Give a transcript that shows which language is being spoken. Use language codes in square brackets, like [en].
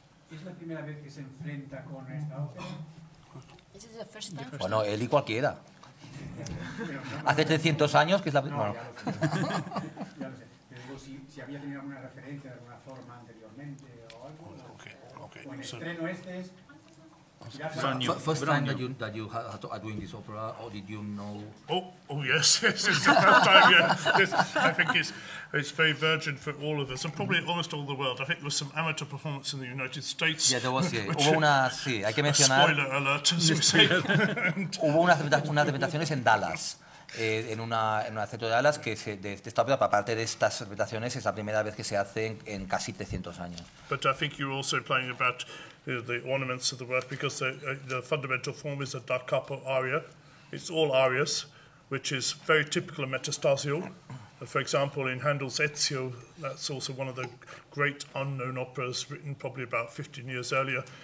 [es] ¿Es la primera vez que se enfrenta con esta ópera? Bueno, él y cualquiera. Hace 300 años que es la primera. No, ya lo sé. Si había tenido alguna referencia de alguna forma anteriormente o algo. Okay. O en el estreno este es. [en] First time that you are doing this opera, or did you know? Oh yes, it's the first time. Yeah. Yes. I think it's very virgin for all of us, and probably almost all the world. I think there was some amateur performance in the United States. [es] Yeah, there was. Sí, hay que mencionar. [en] Spoiler alert, as you say. [es] Hubo unas representaciones en Dallas. En un centro de Dallas que de esta ópera, aparte de estas representaciones, es la primera vez que se hace en casi 300 años. [en] But I think you're also playing about the ornaments of the work, because the fundamental form is a da capo aria. It's all arias, which is very typical of Metastasio. For example, in Handel's Ezio, that's also one of the great unknown operas written probably about 15 years earlier.